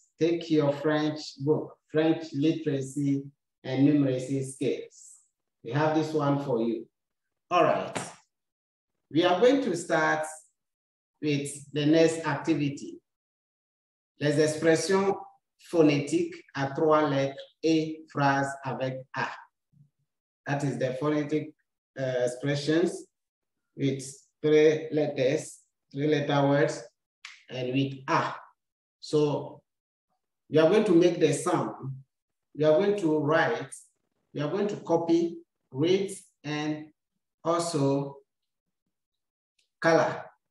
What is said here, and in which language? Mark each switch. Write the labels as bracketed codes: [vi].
[en] Take your French book, French Literacy and Numeracy Skills. We have this one for you. All right. We are going to start with the next activity. [fr] Les expressions phonétiques à trois lettres et phrase avec A. [en] That is the phonetic expressions with three letter words and with A. So you are going to make the sound. You are going to write, you are going to copy, read, and also color.